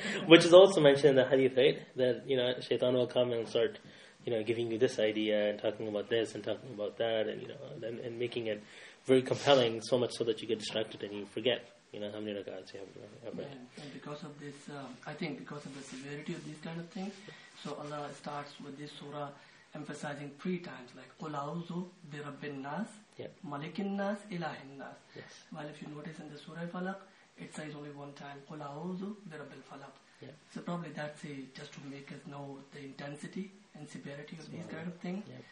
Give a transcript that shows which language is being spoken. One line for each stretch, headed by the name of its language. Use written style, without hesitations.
English: Which is also mentioned in the hadith, right? That, shaitan will come and start, giving you this idea and talking about this and talking about that and making it very compelling, so much so that you get distracted and you forget, how many rak'ahs you have. And because of this, I think because of the severity of these kind of things, so Allah starts with this surah emphasizing three times, like
Arabic: قُلْ أَعُوذُ بِرَبِّ النَّاسِ مَلِكِ النَّاسِ إِلَهِ النَّاسِ.
English: While if you notice in the Surah Al-Falaq, it says only one time
Arabic: قُلْ أَعُوذُ بِرَبِّ الْفَلَقِ.
English: So probably that's just to make us know the intensity and severity of these kind of things.